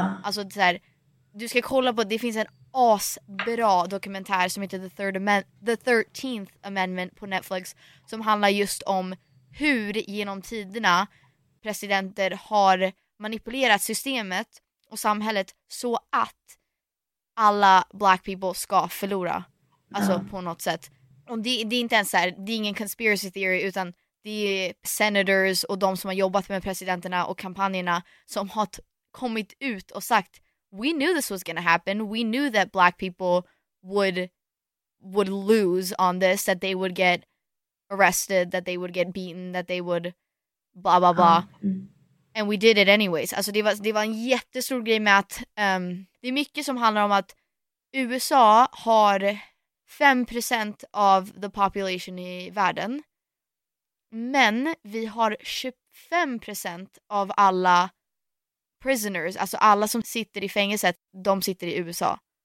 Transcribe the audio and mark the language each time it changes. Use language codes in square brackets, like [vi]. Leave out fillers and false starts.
[sv] Alltså så här, du ska kolla på, det finns en asbra dokumentär som heter The 13th Amendment på Netflix, som handlar just om hur genom tiderna presidenter har manipulerat systemet och samhället så att alla black people ska förlora. Alltså på något sätt. Och det är inte ens så här, det är ingen conspiracy theory, utan det är senators och de som har jobbat med presidenterna och kampanjerna som har kommit ut och sagt: [en] we knew this was gonna happen. We knew that black people would lose on this, that they would get arrested, that they would get beaten, that they would blah blah blah. And we did it anyways. [sv] Alltså det var en jättestor grej med att det är mycket som handlar om att USA har 5% av the population i världen. Men vi har 25% av alla prisoners, alltså alla som sitter i fängelset, de sitter i USA.